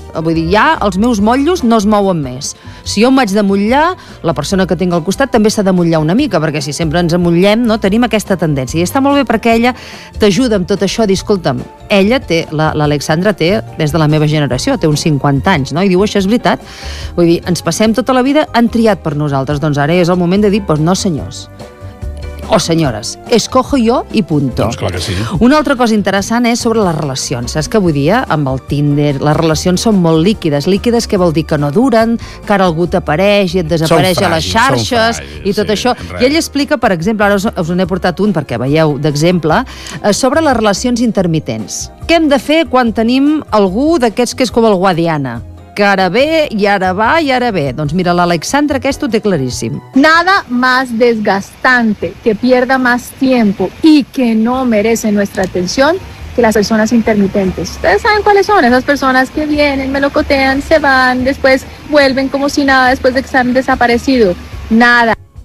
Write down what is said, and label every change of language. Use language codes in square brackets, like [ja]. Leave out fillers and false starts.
[ca] Vull dir, ja els meus motllos no es mouen més. Si jo m'haig d'amullar, la persona que tinc al costat també s'ha d'amullar una mica, perquè si sempre ens amullem, no? Tenim aquesta tendència. I està molt bé perquè ella t'ajuda amb tot això a dir, escolta'm, ella té, l'Alexandra té, des de la meva generació, té uns 50 anys, no? I diu, això és veritat. Vull dir, ens passem tota la vida, han triat per nosaltres, doncs ara és el moment de dir, doncs no, senyors. O senyores, escojo jo i punto. Doncs clar que sí. Una altra cosa interessant és sobre les relacions. Saps que avui dia, amb el Tinder, les relacions són molt líquides. Líquides, què vol dir? Que no duren, que ara algú t'apareix i et desapareix a les xarxes fràgils, i tot sí, això. I ell explica, per exemple, ara us n'he portat un, perquè veieu, d'exemple, sobre les relacions intermitents. Què hem de fer quan tenim algú d'aquests que és com el Guadiana? Que ara ve, i ara va, i ara ve. Doncs mira, l'Alexandra aquest ho té claríssim. [es] Nada más desgastante que pierda más tiempo y que no merece nuestra atención que las personas intermitentes. Ustedes saben cuáles son esas personas que vienen, melocotean, se van, después vuelven como si nada después de que se han desaparecido. Nada.